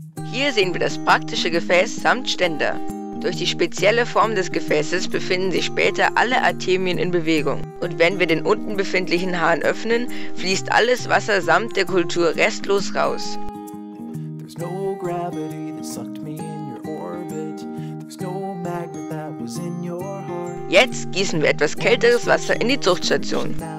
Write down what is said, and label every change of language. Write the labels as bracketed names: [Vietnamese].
[German] Hier sehen wir das praktische Gefäß samt Ständer. Durch die spezielle Form des Gefäßes befinden sich später alle Artemien in Bewegung. Und wenn wir den unten befindlichen Hahn öffnen, fließt alles Wasser samt der Kultur restlos raus. [English] There's no gravity that sucked me in your orbit. There's no magnet that was in your heart. [German] Jetzt gießen wir etwas kälteres Wasser in die Zuchtstation.